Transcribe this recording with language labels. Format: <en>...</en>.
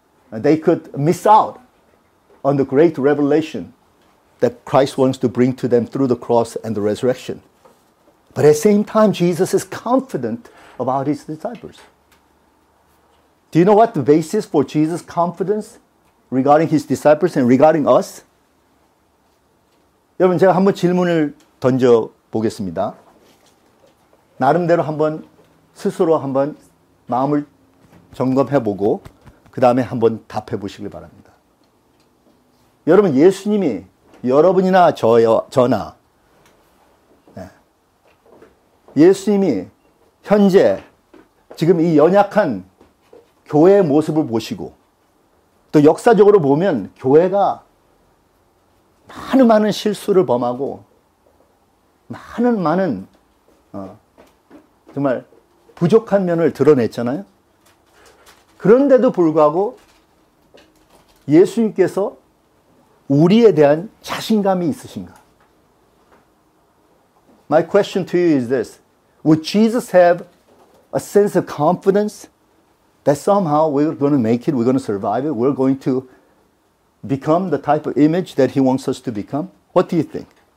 <en>They could miss out on the great revelation that Christ wants to bring to them through the cross and the resurrection. But at the same time, Jesus is confident about his disciples. Do you know what the basis for Jesus' confidence regarding his disciples and regarding us?</en> <ko>여러분, 제가 한번 질문을 던져 보겠습니다. 나름대로 한번 스스로 한번 마음을 점검해보고 그 다음에 한번 답해보시길 바랍니다. 여러분, 예수님이 여러분이나 저나 예수님이 현재 지금 이 연약한 교회의 모습을 보시고 또 역사적으로 보면 교회가 많은 실수를 범하고 많은 정말 부족한 면을 드러냈잖아요. 그런데도 불구하고 예수님께서 우리에 대한 자신감이 있으신가?</ko> <en>My question to you is this. Would Jesus have a sense of confidence that somehow we're going to make it, we're going to survive it, we're going to become the type of image that he wants us to become? What do you think?</en>